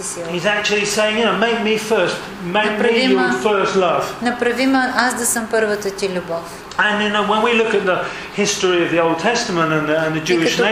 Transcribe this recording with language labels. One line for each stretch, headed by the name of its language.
English: He's actually saying, you know, make me first. Make me your first love.
Bulgarian: Направи ме аз да съм първата ти любов.
English: And you know, when we look at the history of the Old Testament and the Jewish nation.